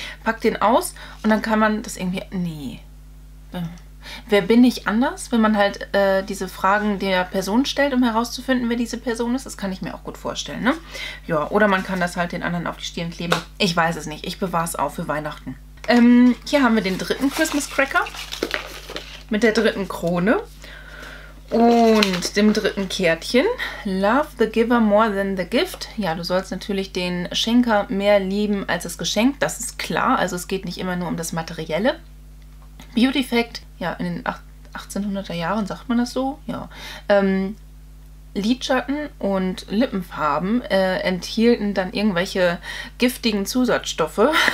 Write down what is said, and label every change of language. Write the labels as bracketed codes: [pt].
[de] Pack den aus und dann kann man das irgendwie... Nee. Wer bin ich anders, wenn man halt diese Fragen der Person stellt, um herauszufinden, wer diese Person ist? Das kann ich mir auch gut vorstellen, ne? Ja, oder man kann das halt den anderen auf die Stirn kleben. Ich weiß es nicht. Ich bewahre es auf für Weihnachten. Hier haben wir den dritten Christmas Cracker mit der dritten Krone und dem dritten Kärtchen. [en] Love the giver more than the gift. [de] Ja, du sollst natürlich den Schenker mehr lieben als das Geschenk, das ist klar. Also es geht nicht immer nur um das Materielle. Beauty Fact, ja, in den 1800er Jahren sagt man das so, ja. Lidschatten und Lippenfarben enthielten dann irgendwelche giftigen Zusatzstoffe.